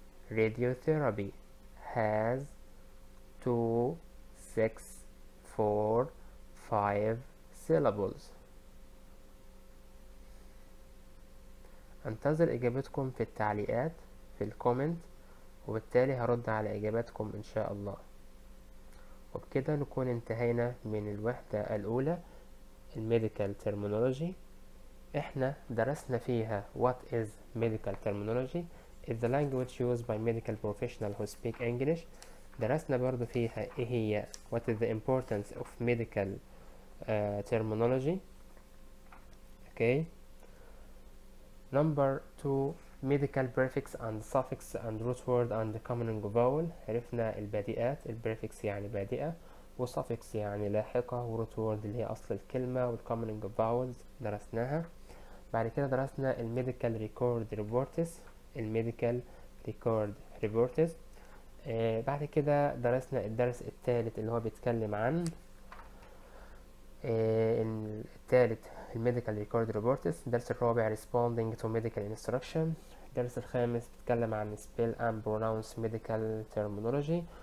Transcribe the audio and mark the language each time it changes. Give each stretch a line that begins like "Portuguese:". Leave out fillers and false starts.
English: Radiotherapy has 2, 6, 4, 5 syllables.
Arabic: انتظر اجابتكم في التعليقات في الكومنت، وبالتالي هرد على اجاباتكم ان شاء الله. وبكده نكون انتهينا من الوحدة الاولى الميديكال ترمينولوجي. احنا درسنا فيها
English: what is medical terminology, is the language used by medical professional who speak English.
Arabic: درسنا برضو فيها ايه هي
English: what is the importance of medical terminology. Okay. Number two, medical prefix and suffix and root word and the common and vowel.
Arabic: عرفنا البادئات. Prefix يعني بادئة، وsuffix يعني لاحقة، وroot word اللي هي أصل الكلمة، والcommon and vowels درسناها. بعد كده درسنا
English: medical record reports. Medical record reports.
Arabic: بعد كده درسنا الدرس الثالث اللي هو بيتكلم عن
English: الثالث الميديكال record reports,
Arabic: الدرس الرابع
English: responding to medical instruction,
Arabic: الدرس الخامس بيتكلم عن
English: Spell and pronounce medical terminology.